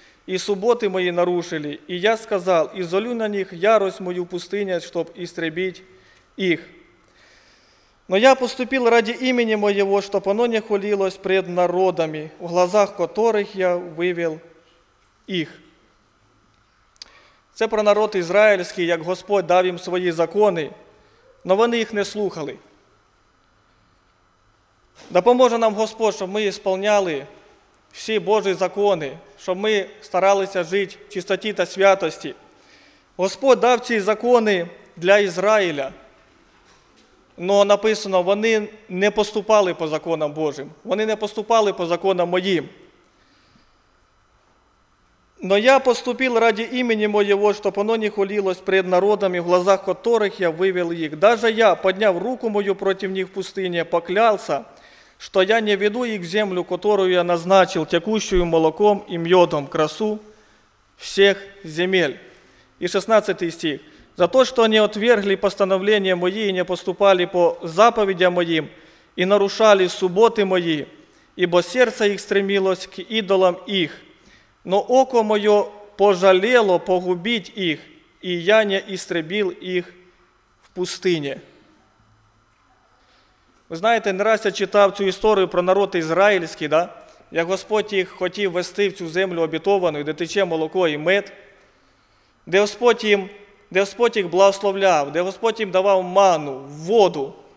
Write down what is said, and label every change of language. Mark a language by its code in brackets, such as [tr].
[ru] И субботы мои нарушили, и я сказал, изолю на них ярость мою в пустыне, чтоб истребить их. Но я поступил ради имени моего, чтоб оно не хвалилось пред народами, в глазах которых я вывел их». [uk] Це про народ ізраїльський, як Господь дав їм свої закони, але вони їх не слухали. Допоможе нам Господь, щоб ми сповняли всі Божі закони, щоб ми старалися жити в чистоті та святості. Господь дав ці закони для Ізраїля, але написано, вони не поступали по законам Божим, вони не поступали по законам моїм. [ru] Но я поступил ради имени моего, чтобы оно не хулилось пред народами, в глазах которых я вывел их. Даже я, подняв руку мою против них в пустыне, поклялся, что я не веду их в землю, которую я назначил, текущую молоком и медом, красу всех земель. И 16 стих. За то, что они отвергли постановления мои и не поступали по заповедям моим, и нарушали субботы мои, ибо сердце их стремилось к идолам их. Но око мое пожалело погубить их, и я не истребил их в пустыне. [uk] Ви знаєте, не раз я читав цю історію про народ ізраїльський, да? Як Господь їх хотів вести в цю землю обітовану, де тече молоко і мед, де Господь їх благословляв, де Господь їм давав ману, воду.